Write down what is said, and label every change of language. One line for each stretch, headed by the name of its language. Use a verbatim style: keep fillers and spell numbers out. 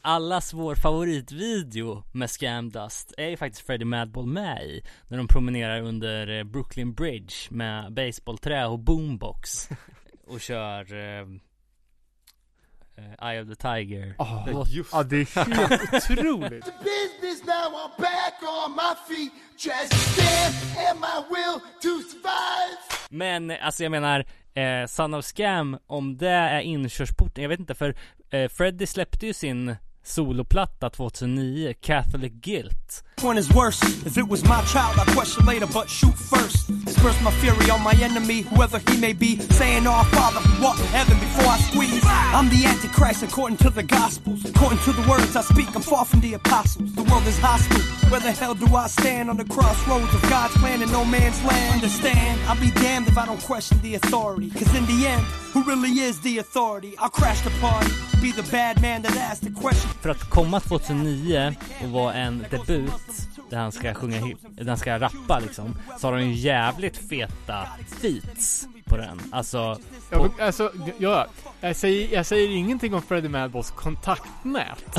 Swedish: Allas vår favoritvideo med Scam Dust är ju faktiskt Freddie Madball med i, när de promenerar under Brooklyn Bridge med baseballträ och boombox och kör eh, Eye of the Tiger. Oh, det, just. Ja, det är helt otroligt.
English: Business now, I'm back on my feet. Just stand and my will to survive.
Swedish: Men alltså jag menar Eh, Son of Scam, om det är inkörsporten, jag vet inte, för eh, Freddie släppte ju sin soloplatta tjugohundranio, Catholic Guilt.
English: one is worse. If it was my child, I'd question later, but shoot first. Disperse my fury on my enemy, whoever he may be, saying, our Father, we walk in heaven before I squeeze. I'm the Antichrist according to the Gospels. According to the words I speak, I'm far from the apostles. The world is hostile. Where the hell do I stand on the crossroads of God's plan and no man's land? Understand, I'll be damned if I don't question the authority. Cause in the end, who really is the authority? I'll crash the party, be the bad man that asked the question.
Swedish: För att komma tjugohundranio och vara en debut där han ska sjunga, där han ska rappa liksom, så har han ju jävligt feta feats på den. Alltså, på... Jag, alltså ja, jag, säger, jag säger ingenting om Freddie Madballs kontaktnät.